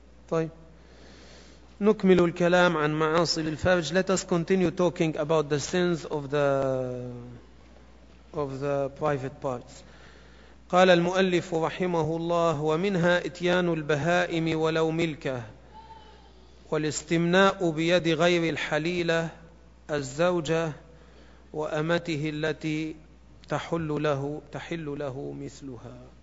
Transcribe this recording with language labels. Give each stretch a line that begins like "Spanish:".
Arabic: طيب نكمل الكلام عن معاصي الفرج.
English: Let us continue talking about the sins of the private parts.
Arabic: قال المؤلف رحمه الله: ومنها إتيان البهائم ولو ملكة، والاستمناء بيد غير الحليلة الزوجة وأمته التي تحل له مثلها.